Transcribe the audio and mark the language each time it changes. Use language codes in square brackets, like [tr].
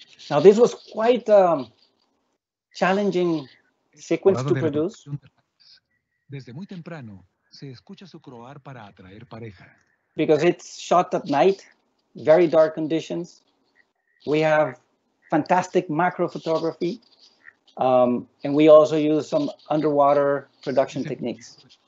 [en] Now, this was quite a challenging sequence to produce. [es] Desde muy temprano, se escucha su croar para atraer pareja. [en] Because it's shot at night, very dark conditions. We have fantastic macro photography, and we also use some underwater production techniques.